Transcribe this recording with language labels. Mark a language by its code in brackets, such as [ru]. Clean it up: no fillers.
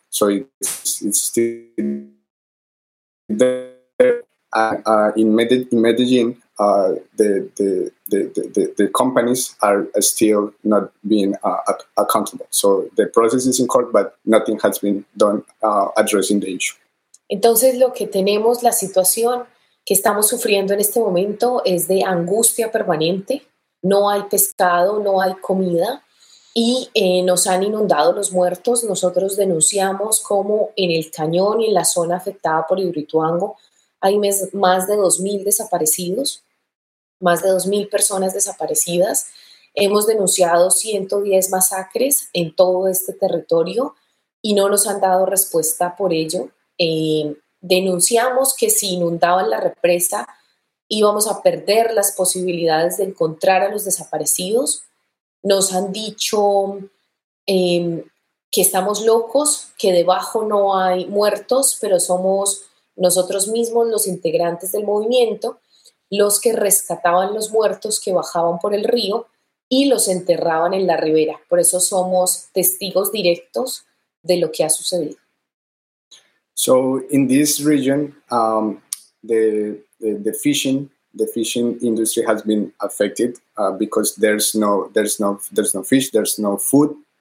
[en] So it's still there. In Medellin, the companies are still not being accountable. So the process is in court, but nothing has been done addressing the issue. [es] Entonces, lo que tenemos, la situación que estamos sufriendo en este momento es de angustia permanente. No hay pescado, no hay comida. Y nos han inundado los muertos. Nosotros denunciamos cómo en el cañón y en la zona afectada por Ibrituango hay más de 2,000 desaparecidos, más de 2,000 personas desaparecidas. Hemos denunciado 110 masacres en todo este territorio y no nos han dado respuesta por ello. Denunciamos que si inundaban la represa íbamos a perder las posibilidades de encontrar a los desaparecidos. Nos han dicho que estamos locos, que debajo no hay muertos, pero somos nosotros mismos, los integrantes del movimiento, los que rescataban los muertos que bajaban por el río y los enterraban en la ribera. Por eso somos testigos directos de lo que ha sucedido. [en] So in this region, the fishing industry has been affected because there's no fish, there's no food.